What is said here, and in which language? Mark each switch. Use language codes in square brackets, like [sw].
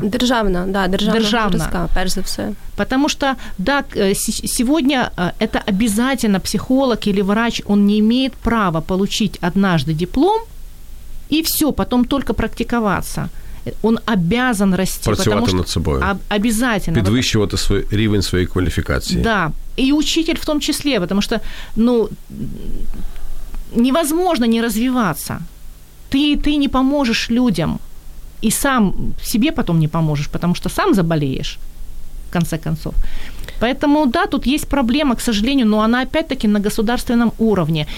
[uk] Державно. Перш все. [ru] Потому что, да, сегодня это обязательно психолог или врач, он не имеет права получить однажды диплом, и все, потом только практиковаться. Он обязан расти. [uk] Працювати над собою. [ru] Обязательно. [uk] Підвищувати свой рівень своєї кваліфікації. [ru] Да. [uk] І учитель в тому числі, [ru] потому что, ну, невозможно не развиваться. Ты не поможешь людям. И сам себе потом не поможешь, потому что сам заболеешь, в конце концов. Поэтому, да, тут есть проблема, к сожалению, но она опять-таки на государственном уровне.